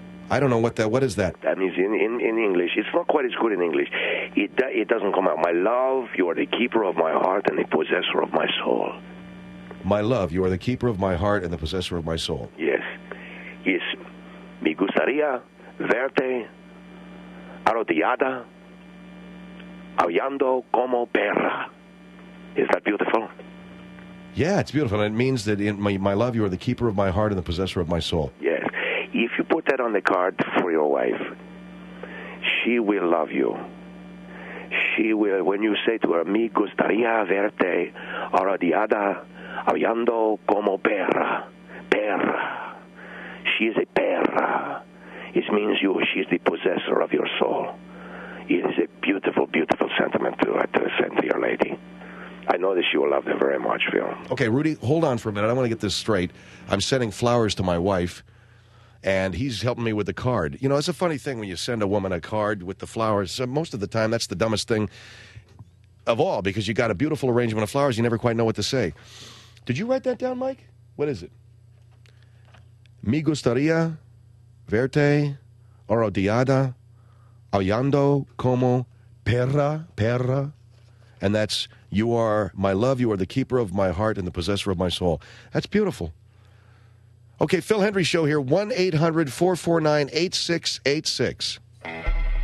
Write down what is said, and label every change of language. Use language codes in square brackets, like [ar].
[en] I don't know what that, what is that? That means in English, it's not quite as good in English. It doesn't come out. My love, you are the keeper of my heart and the possessor of my soul. My love, you are the keeper of my heart and the possessor of my soul. Yes. Yes. [es] Me gustaría verte arrodillada hablando como perra. [en] Is that beautiful? Yeah, it's beautiful. It means that in my love, you are the keeper of my heart and the possessor of my soul. Yes. If you put that on the card for your wife, she will love you. She will, when you say to her, [es] me gustaría verte arrodillada hablando como perra. Perra. [en] She is a perra. It means you, she is the possessor of your soul. It is a beautiful, beautiful sentiment to send to your lady. I know that she will love them very much, Phil. Okay, Rudy, hold on for a minute. I want to get this straight. I'm sending flowers to my wife, and he's helping me with the card. You know, it's a funny thing when you send a woman a card with the flowers. So most of the time, that's the dumbest thing of all, because you got a beautiful arrangement of flowers. You never quite know what to say. Did you write that down, Mike? What is it? [es] Me gustaría verte arrodillada hablando como perra, perra. [en] And that's, you are my love, you are the keeper of my heart and the possessor of my soul. That's beautiful. Okay, Phil Hendry Show here, 1-800-449-8686. We'll be right back.